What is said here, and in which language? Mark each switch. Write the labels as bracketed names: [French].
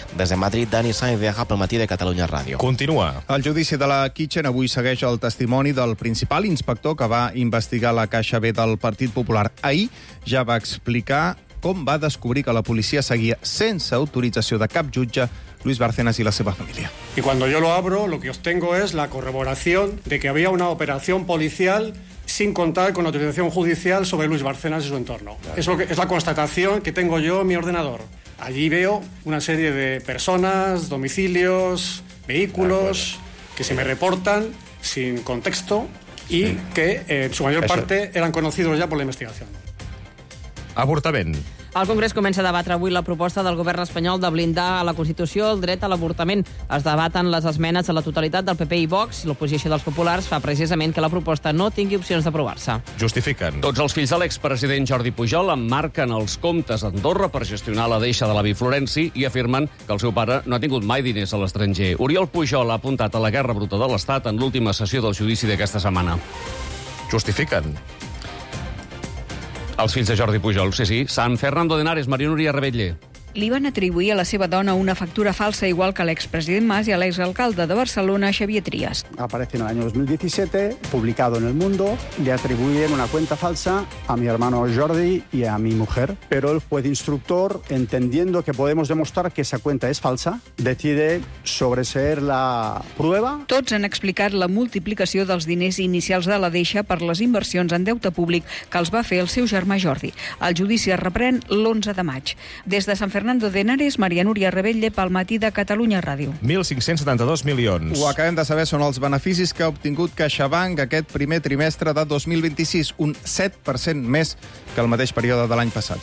[Catalan] Des de Madrid, Dani Sáenz Viaja, pel Matí de Catalunya Ràdio. Continua. El judici de la Kitchen avui segueix el testimoni del principal inspector que va investigar la Caixa B del Partit Popular. Ahir ja va explicar com va descobrir que la policia seguia sense autorització de cap jutge Luis Bárcenas y la seva familia. [Spanish] Y cuando yo lo abro, lo que obtengo es la corroboración de que había una operación policial sin contar con la autorización judicial sobre Luis Bárcenas y su entorno. Claro. Es la constatación que tengo yo en mi ordenador. Allí veo una serie de personas, domicilios, vehículos, claro, que se me reportan sin contexto y sí, que en su mayor parte eran conocidos ya por la investigación. [Catalan] Avortament. El Congrés comença a debatre avui la proposta del govern espanyol de blindar a la Constitució el dret a l'avortament. Es debaten les esmenes a la totalitat del PP i Vox. L'oposició dels populars fa precisament que la proposta no tingui opcions d'aprovar-se. Justifiquen. Tots els fills de l'expresident Jordi Pujol emmarquen els comptes a Andorra per gestionar la deixa de l'avi Florenci i afirmen que el seu pare no ha tingut mai diners a l'estranger. Oriol Pujol ha apuntat a la guerra bruta de l'Estat en l'última sessió del judici d'aquesta setmana. Justifiquen. Els fills de Jordi Pujol, sí, sí. San Fernando de Henares, Maria Núria Rebetlle. Li van atribuir a la seva dona una factura falsa igual que l'expresident Mas i a l'exalcalde de Barcelona, Xavier Trias. [Spanish] Aparece en el año 2017, publicado en El Mundo, le atribuyen una cuenta falsa a mi hermano Jordi y a mi mujer, pero el juez instructor, entendiendo que podemos demostrar que esa cuenta es falsa, decide sobreseer la prueba. [Catalan] Tots han explicat la multiplicació dels diners inicials de la deixa per les inversions en deute públic que els va fer el seu germà Jordi. El judici es reprèn l'11 de maig. Des de San Fernando de Henares, Maria Núria Rebetlle, pel Matí de Catalunya Ràdio. 1.572 milions. Ho acabem de saber, són els beneficis que ha obtingut CaixaBank aquest primer trimestre de 2026, un 7% més que el mateix període de l'any passat.